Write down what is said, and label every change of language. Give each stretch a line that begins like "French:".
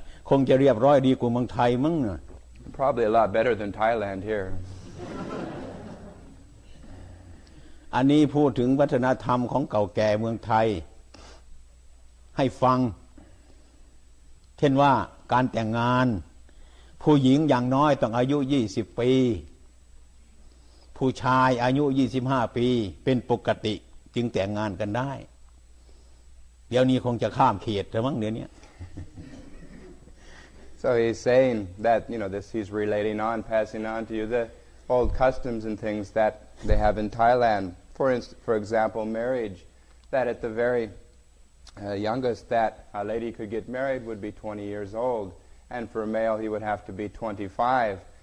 Thai: คงจะเรียบร้อยดีกว่าเมืองไทยมั้งน่ะ
English: Probably a lot better than Thailand here
Thai: อันนี้พูดถึงวัฒนธรรมของเก่าแก่เมืองไทยให้ฟังเช่นว่าการแต่งงานผู้หญิงอย่างน้อยต้องอายุ20ปีผู้ชายอายุ25ปีเป็นปกติจึงแต่งงานกันได้เดี๋ยวนี้คงจะข้ามเขตแล้วมั้งเดี๋ยวนี้
English: So he's saying that you know this he's relating on passing on to you the old customs and things that they have in Thailand for example marriage that at the veryYoungest that a lady could get married would be 20 years old, and for a male he would have to be 25.